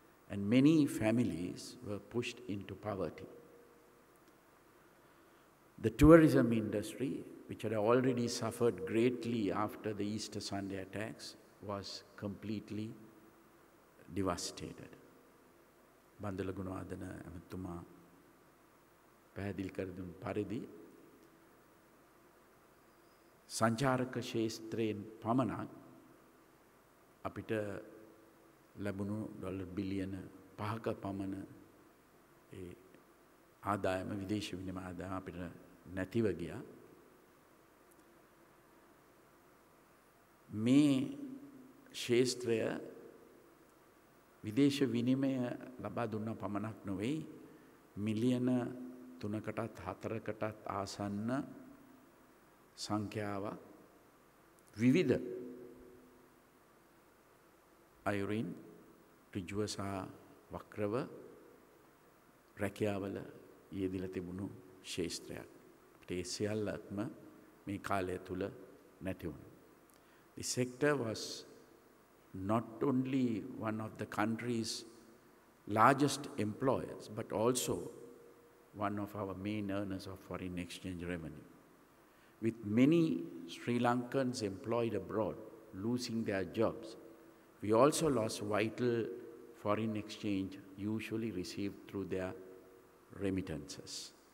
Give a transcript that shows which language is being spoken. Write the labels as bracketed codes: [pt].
[en] And many families were pushed into poverty. The tourism industry, which had already suffered greatly after the Easter Sunday attacks, was completely devastated. [si] Bandula gunawadana emathuma pahedili kar dun paridi සංචාරක ක්ෂේත්‍රයෙන් පමණක් අපිට ලැබුණු dollar බිලියන 5ක පමණ ඒ ආදායම විදේශ විනිමය ආදායම අපිට නැතිව ගියා. මේ ක්ෂේත්‍රය විදේශ විනිමය ලබා දුන්නා පමණක් නොවේ මිලියන 3කටත් 4කටත් ආසන්න සංඛ්‍යාව විවිධ අයුරින් ඍජුව සහ වක්‍රව රැකියාවල යෙදිලා තිබුණු ක්ෂේත්‍රයක්. අපිට ඒ සියල්ලක්ම මේ කාලය තුළ නැති වුණා. [en] The sector was not only one of the country's largest employers, but also one of our main earners of foreign exchange revenue. With many Sri Lankans employed abroad losing their jobs, we also lost vital foreign exchange usually received through their remittances.